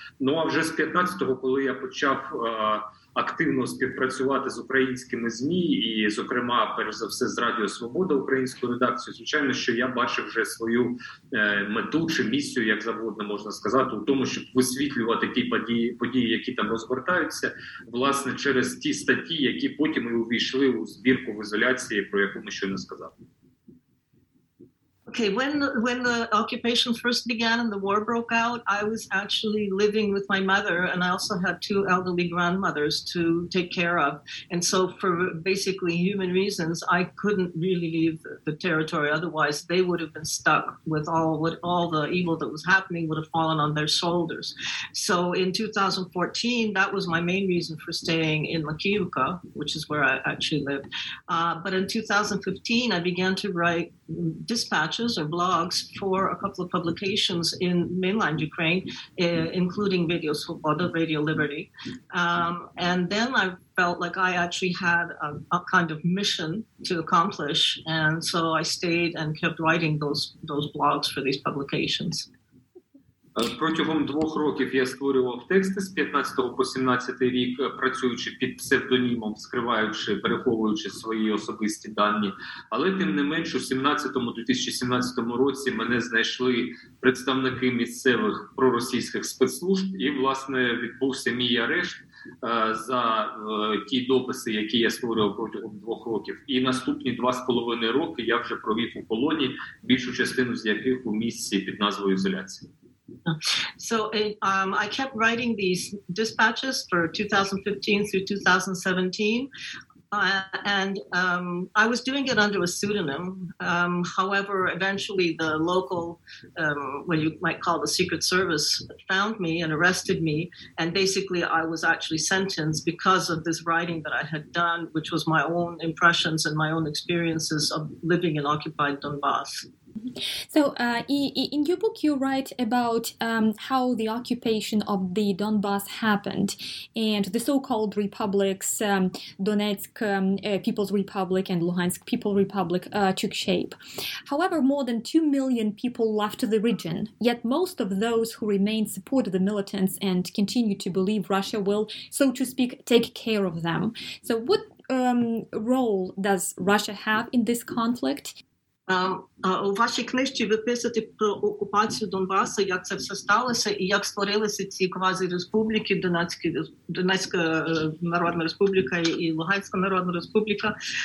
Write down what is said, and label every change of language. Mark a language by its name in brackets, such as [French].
[Ukrainian] Ну а вже з 2015-го, коли я почав активно співпрацювати з українськими ЗМІ і, зокрема, перш за все, з Радіо Свобода, українською редакцією, звичайно, що я бачив вже свою мету чи місію, як завгодно можна сказати, у тому, щоб висвітлювати ті події, які там розгортаються, власне, через ті статті, які потім і увійшли у збірку в ізоляції, про яку ми щойно сказали. [English] Okay, when the occupation first began and the war broke out, I was actually living with my mother, and I also had two elderly grandmothers to take care of. And so for basically human reasons, I couldn't really leave the territory. Otherwise, they would have been stuck with all the evil that was happening would have fallen on their shoulders. So in 2014, that was my main reason for staying in Makiivka, which is where I actually live. But in 2015, I began to write dispatches or blogs for a couple of publications in mainland Ukraine, including Radio Svoboda, Radio Liberty. And then I felt like I actually had a kind of mission to accomplish. And so I stayed and kept writing those blogs for these publications. [Ukrainian] Протягом 2 років я створював тексти з 15 по 17 рік, працюючи під псевдонімом, скриваючи, переховуючи свої особисті дані. Але тим не менш, у 2017 році мене знайшли представники місцевих проросійських спецслужб, і, власне, відбувся мій арешт за ті дописи, які я створював протягом 2 років. І наступні 2.5 роки я вже провів у полоні, більшу частину з яких у місці під назвою ізоляція. [English] So I kept writing these dispatches for 2015 through 2017, and I was doing it under a pseudonym. However, eventually the local, what you might call the Secret Service, found me and arrested me, and basically I was actually sentenced because of this writing that I had done, which was my own impressions and my own experiences of living in occupied Donbass. So in your book, you write about how the occupation of the Donbas happened and the so-called republics, Donetsk People's Republic and Luhansk People's Republic, took shape. However, more than 2 million people left the region, yet most of those who remain support the militants and continue to believe Russia will, so to speak, take care of them. So what role does Russia have in this conflict? [Ukrainian] У вашій книжці ви писаєте про окупацію Донбасу, як це все сталося, і як створилися ці квазі-республіки, Донецька Народна Республіка і Луганська Народна Республіка.